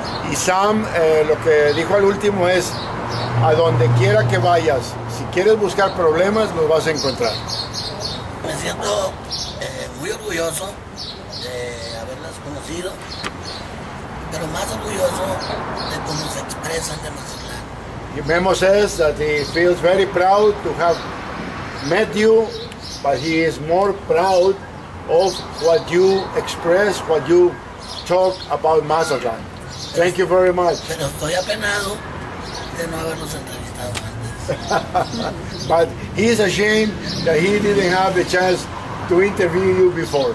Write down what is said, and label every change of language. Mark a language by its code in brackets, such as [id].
[es] Y Sam, lo que dijo al último es, a donde quiera que vayas, si quieres buscar problemas, los vas a encontrar. Me siento muy orgulloso de haberlas conocido, pero más orgulloso de cómo se expresan de Mazatlán. [en] Memo says that he feels very proud to have met you, but he is more proud of what you express, what you talk about Mazatlán. Thank you very much. [es] Pero estoy apenado de no habernos entrevistado antes. [en] But he is ashamed that he didn't have the chance to interview you before.